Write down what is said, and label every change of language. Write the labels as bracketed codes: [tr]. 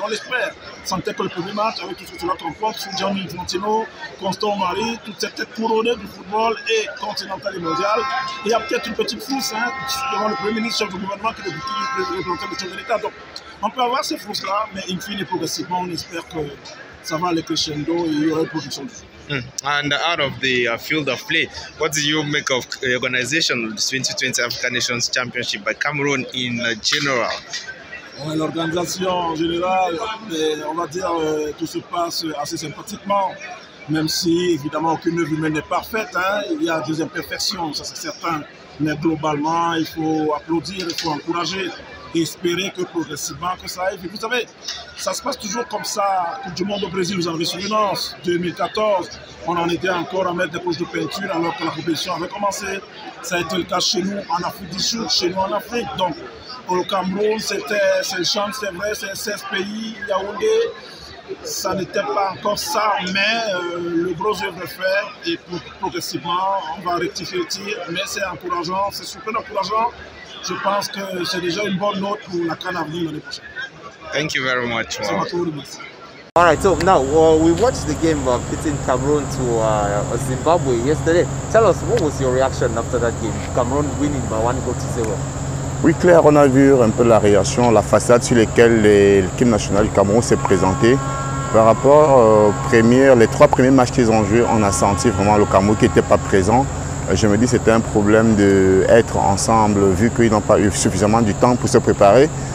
[fr] On l'espère, sans être que le premier match, avec tout ce que cela comporte, sous Gianni Infantino, Constant Marie, toute cette tête couronnée du football et continental et mondial. Il y a peut-être une petite fousse hein, devant le premier ministre, chef du gouvernement, qui est le représentant de son État. Donc, on peut avoir ces fousses-là, mais in fine, progressivement, on espère que ça va aller crescendo et il y aura une production de jeu. [en] And out of the field of play, what do you make of the organization of the 2020 African Nations Championship by Cameroon in general? [fr] Ouais, l'organisation en général, on va dire, tout se passe assez sympathiquement, même si évidemment aucune œuvre humaine n'est parfaite, hein, il y a des imperfections, ça c'est certain, mais globalement, il faut applaudir, il faut encourager. Espérer que progressivement que ça aille. Vous savez, ça se passe toujours comme ça. Coupe du monde au Brésil, vous en avez souvenir, 2014, on en était encore à mettre des poches de peinture alors que la compétition avait commencé. Ça a été le cas chez nous en Afrique du Sud, chez nous en Afrique. Donc, au Cameroun, c'est le champ, c'est vrai, c'est 16 pays, Yaoundé. Ça n'était pas encore ça, mais le gros œuvre à faire, et progressivement, on va rectifier le tir. Mais c'est encourageant, c'est super encourageant. Je pense que c'est déjà une bonne note pour la CAN à venir l'année prochaine. [en] Thank you very much. All right, so now we watched the game between Cameroon to Zimbabwe yesterday. Tell us, what was your reaction after that game? Cameroon winning by 1-0. [fr] Oui, Claire, on a vu un peu la réaction, la façade sur laquelle l'équipe nationale du Cameroun s'est présentée. Par rapport aux trois premiers matchs qu'ils ont joués, on a senti vraiment le Cameroun qui n'était pas présent. Je me dis que c'était un problème d'être ensemble vu qu'ils n'ont pas eu suffisamment de temps pour se préparer.